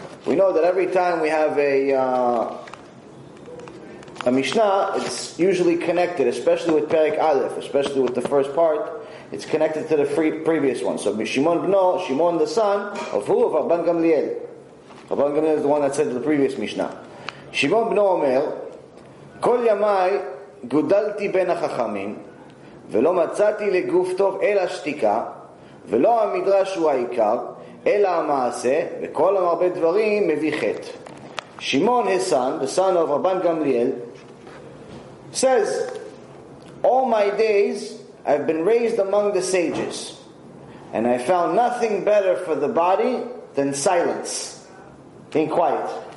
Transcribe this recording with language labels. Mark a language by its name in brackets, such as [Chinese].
[English] We know that every time we have a Mishnah, it's usually connected, especially with Perek Aleph, especially with the first part. It's connected to the previous one. So Shimon Bno, Shimon the son of who? Of Rabban Gamliel. Rabban Gamliel is the one that said the previous Mishnah. [Hebrew] Shimon Bno Omer. כל ימי גודלתי בין החכמים ולא מצאתי לגוף טוב אלא שתיקה ולא המדרש הוא העיקר אלא המעשה וכל המרבה דברים מביא חטא. [English] Shimon his son, the son of Rabban Gamliel, says, all my days I've been raised among the sages and I found nothing better for the body than silence, being quiet.